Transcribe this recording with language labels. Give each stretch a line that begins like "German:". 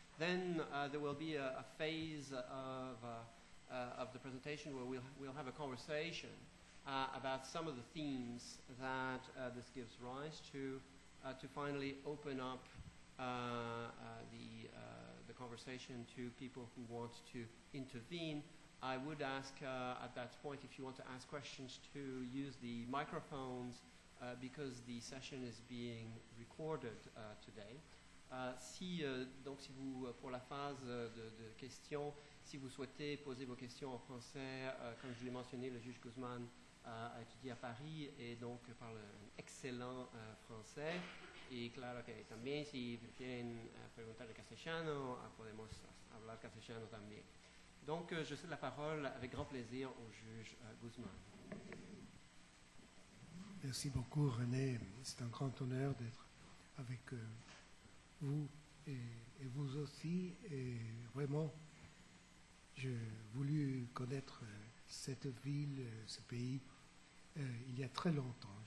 English: Then there will be a phase of the presentation where we'll have a conversation about some of the themes that this gives rise to finally open up the conversation to people who want to intervene. I would ask at that point, if you want to ask questions, to use the microphones because the session is being recorded today.
French: Pour la phase de questions, si vous souhaitez poser vos questions en français, comme je l'ai mentionné, le juge Guzman a étudié à Paris et donc parle un excellent français.
Spanish: Et claro que también si quieren preguntar el castellano, podemos hablar castellano también.
French: Donc je cède la parole avec grand plaisir au juge Guzmán. Merci beaucoup René, c'est un grand honneur d'être avec vous et vous aussi. Et vraiment, j'ai voulu connaître cette ville, ce pays, il y a très longtemps.